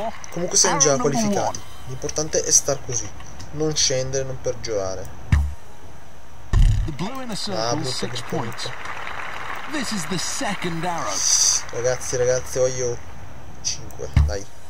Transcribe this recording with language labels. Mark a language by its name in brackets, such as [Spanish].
[Italian] Comunque siamo già qualificati. L'importante è star così, non scendere, non peggiorare. Ah, brutto, brutto, brutto. [English] This is the second arrow. [Italian] Ragazzi, ragazzi, ho io 5, dai.